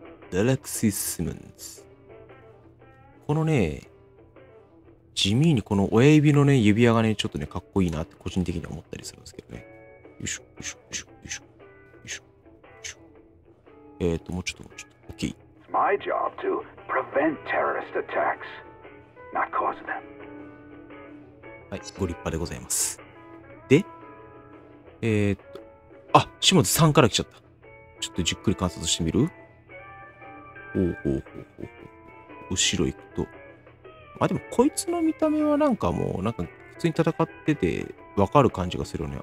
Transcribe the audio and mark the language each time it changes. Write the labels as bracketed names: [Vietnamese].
[Japanese] ダラクシスムンズ。このね、地味にこの親指のね、指輪がね、ちょっとね、かっこいいなって個人的には思ったりするんですけどね。よいしょ、よいしょ、よいしょ、よいしょ。もうちょっと。OK。 [English] It's my job to prevent terrorist attacks, not cause them. [Japanese] はい、ご立派でございます。で、島津さんから来ちゃった。ちょっとじっくり観察してみる？ほう。後ろ行くと。あ、でもこいつの見た目はなんかもう、なんか普通に戦ってて分かる感じがするよね。